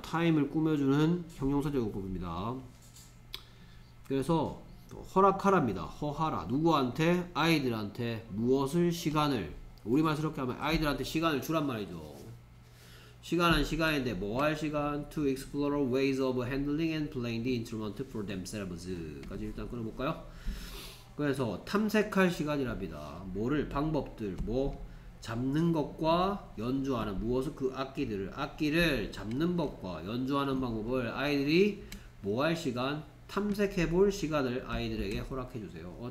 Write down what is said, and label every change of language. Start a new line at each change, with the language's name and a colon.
Korean: 타임을 꾸며주는 형용사적 어법입니다. 그래서 허락하랍니다. 허하라. 누구한테? 아이들한테. 무엇을? 시간을. 우리말스럽게 하면 아이들한테 시간을 주란 말이죠. 시간은 시간인데 뭐할 시간?
English: To explore ways of handling and playing the instrument for themselves.
Korean: 까지 일단 끊어볼까요? 그래서 탐색할 시간이랍니다. 뭐를? 방법들. 뭐? 잡는 것과 연주하는 무엇을 그 악기들을 악기를 잡는 법과 연주하는 방법을 아이들이 뭐할 시간 탐색해 볼 시간을 아이들에게 허락해 주세요.